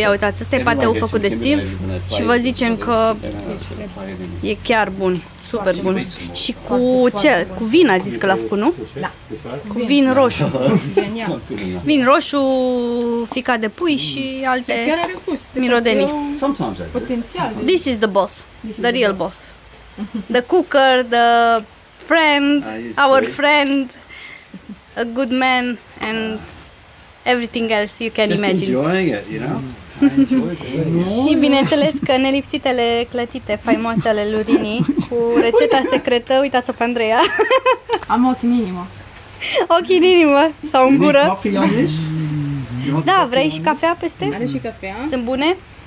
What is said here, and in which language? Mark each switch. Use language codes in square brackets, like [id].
[ro] Ia uitați, ăsta e pateu făcut de Steve și vă zicem că e chiar bun, super bun. Și cu ce? Cu vin a zis că l-a făcut, nu? Da. Cu vin roșu. Vin roșu, fica de pui și alte mirodenii. Potențial. [en] This is the boss. The real boss. The cooker, the friend, our friend, a good man and everything else you can just imagine. Just enjoying it, you know? [ro] Și bineînțeles că nelipsitele clătite faimoase ale lui Rini cu rețeta secretă, uitați-o pe Andreea. Am ochi în inimă. Ochi în inimă sau în gură. [en] Coffee, [ro] da, vrei și cafea peste? Are și cafea. Sunt bune?